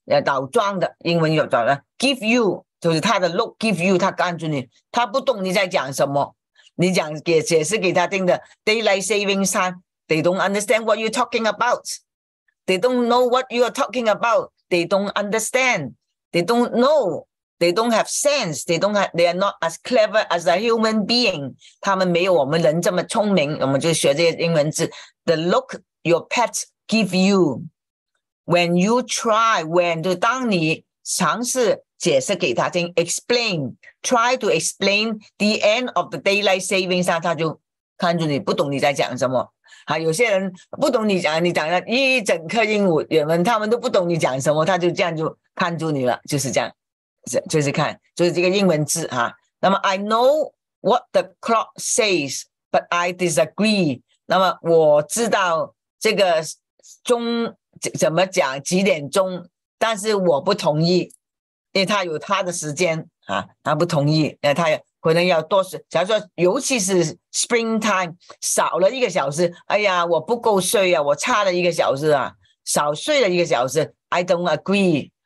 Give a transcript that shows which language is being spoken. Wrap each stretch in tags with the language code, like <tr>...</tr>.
<zh>倒装的英文有倒了</zh> <en>，give you</en> <zh>就是他的</zh> <en>look，give you</en> <zh>他看住你，他不懂你在讲什么，你讲给解释给他听的</zh> <en>daylight saving time，they don't understand what you're talking about，they don't know what you're talking about，they don't understand，they don't know。 They don't have sense. They are not as clever as a human being.</en> <zh>他们没有我们人这么聪明。</zh> <en>我们就学这些英文字。The look your pet give you when you try, when</en> <zh>就当你尝试解释给他听</zh> <en>，explain, try to explain the end of the daylight saving time,</en> <zh>他就看着你不懂你在讲什么。啊，有些人不懂你讲，你讲了一整课英语，人们他们都不懂你讲什么，他就这样就看住你了，就是这样。就是看，就是这个英文字哈。</zh> <en>那么 I know what the clock says, but I disagree.</en> <zh>那么我知道这个钟怎么讲几点钟，但是我不同意，因为他有他的时间啊，他不同意，他可能要多时。假如说，尤其是 springtime 少了一个小时，哎呀，我不够睡啊，我差了一个小时啊，少睡了一个小时。</zh> <en>I don't agree.</en>